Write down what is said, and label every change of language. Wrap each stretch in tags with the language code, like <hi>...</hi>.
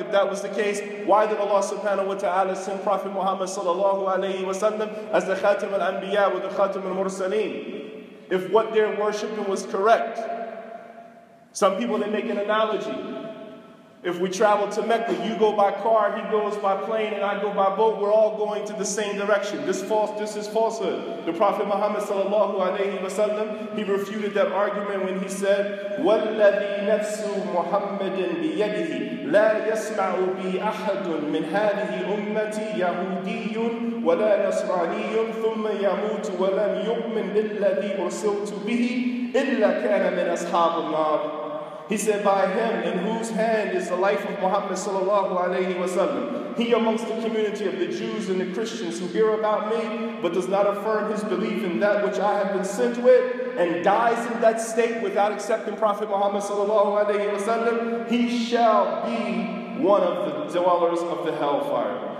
<en>If that was the case, why did Allah subhanahu wa ta'ala send Prophet Muhammad sallallahu alayhi wa sallam as the Khatim al-Anbiya with the Khatim al-Mursaleen? If what they're worshiping was correct. Some people, they make an analogy. If we travel to Mecca, you go by car, he goes by plane, and I go by boat, we're all going to the same direction. This is falsehood. The Prophet Muhammad sallallahu alayhi wa sallam, he refuted that argument when he said,</en> <ar>وَالَّذِي نَفْسُ مُحَمَّدٍ بِيَدِهِ لَا يَسْمَعُ بِي أَحَدٌ مِنْ هَذِهِ أُمَّتِي يَهُودِيٌ وَلَا نَصْرَانِيٌ ثُمَّ يَمُوتُ وَلَمْ يُؤْمِنْ بِالَّذِي أُرْسِلْتُ بِهِ إِلَّا كَانَ مِنْ أَصْحَابِ النَّارِ.</ar> <en>He said, by him in whose hand is the life of Muhammad sallallahu alayhi wa sallam, he amongst the community of the Jews and the Christians who hear about me, but does not affirm his belief in that which I have been sent with, and dies in that state without accepting Prophet Muhammad sallallahu alayhi wa sallam, he shall be one of the dwellers of the hellfire.</en>